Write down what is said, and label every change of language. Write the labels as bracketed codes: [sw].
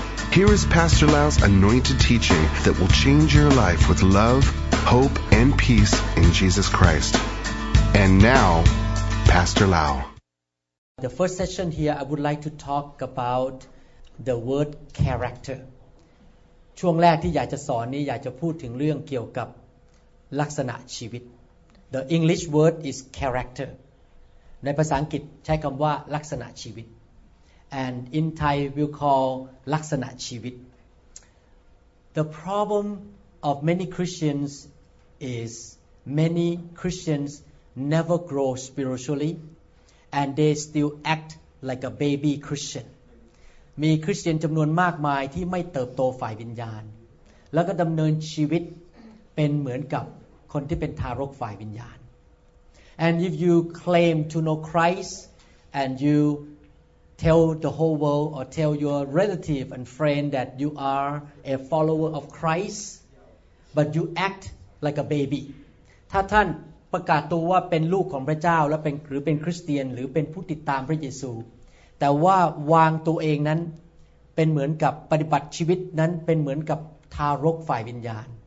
[en] Here is Pastor Lau's anointed teaching that will change your life with love, hope, and peace in Jesus Christ. And now, Pastor Lau. The first session here, I would like to talk about the word character. [th] ช่วงแรกที่อยากจะสอนนี้อยากจะพูดถึงเรื่องเกี่ยวกับลักษณะชีวิต [en] The English word is character. [th] ในภาษาอังกฤษใช้คำว่าลักษณะชีวิต [en] And in Thai, we call ลักษณะชีวิต The problem of many Christians is many Christians never grow spiritually and they still act like a baby Christian. [th] มีคริสเตียนจำนวนมากมายที่ไม่เติบโตฝ่ายวิญญาณแล้วก็ดำเนินชีวิตเป็นเหมือนกับคนที่เป็นทารกฝ่ายวิญญาณ [en] And if you claim to know Christ and you tell the whole world or tell your relative and friend that you are a follower of Christ but you act like a baby [th] ถ้าท่านประกาศตัวว่าเป็นลูกของพระเจ้าและเป็นหรือเป็นคริสเตียนหรือเป็นผู้ติดตามพระเยซูแต่ว่าวางตัวเองนั้นเป็นเหมือนกับปฏิบัติชีวิตนั้นเป็นเหมือนกับทารกฝ่ายวิญญาณ